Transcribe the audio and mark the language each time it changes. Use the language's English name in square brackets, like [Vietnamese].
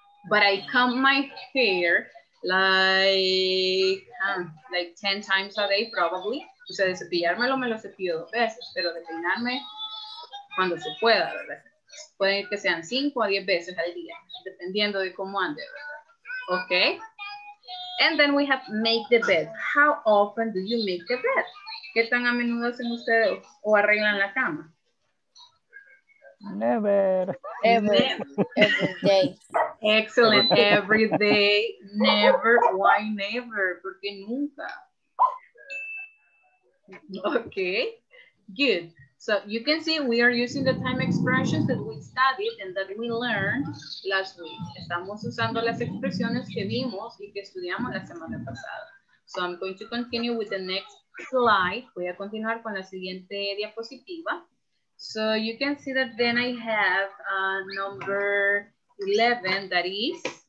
[English] But I comb my hair like 10 times a day, probably. [Spanish] O sea, de cepillármelo, me lo cepillo 2 veces, pero de peinarme cuando se pueda, ¿verdad? Puede que sean 5 a 10 veces al día, dependiendo de cómo ande, ¿verdad? Okay? [English] And then we have make the bed. How often do you make the bed? [Spanish] ¿Qué tan a menudo hacen ustedes o arreglan la cama? [English] Never. Every day. Excellent. Every day. Never. Why never? [Spanish] Porque nunca. [English] Okay. Good. So you can see we are using the time expressions that we studied and that we learned last week. [Spanish] Estamos usando las expresiones que vimos y que estudiamos la semana pasada. [English] So I'm going to continue with the next slide. [Spanish] Voy a continuar con la siguiente diapositiva. [English] So you can see that then I have number 11, that is.